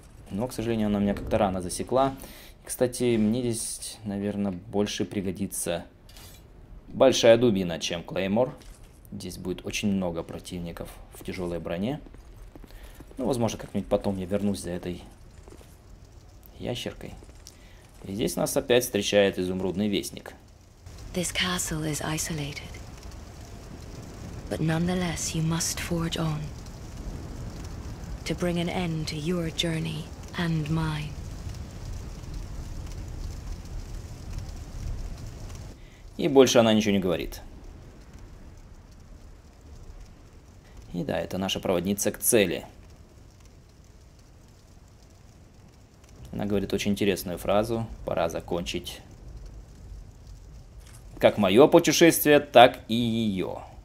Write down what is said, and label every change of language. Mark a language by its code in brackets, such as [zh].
[ru] Но, к сожалению, она меня как-то рано засекла. Кстати, мне здесь, наверное, больше пригодится большая дубина, чем клеймор. Здесь будет очень много противников в тяжелой броне. Ну, возможно, как-нибудь потом я вернусь за этой ящеркой. И здесь нас опять встречает изумрудный вестник. [en] This castle is isolated. But nonetheless, you must forge on to bring an end to your journey and mine. [ru] И больше она ничего не говорит. И да, это наша проводница к цели. Она говорит очень интересную фразу. Пора закончить как мое путешествие, так и ее.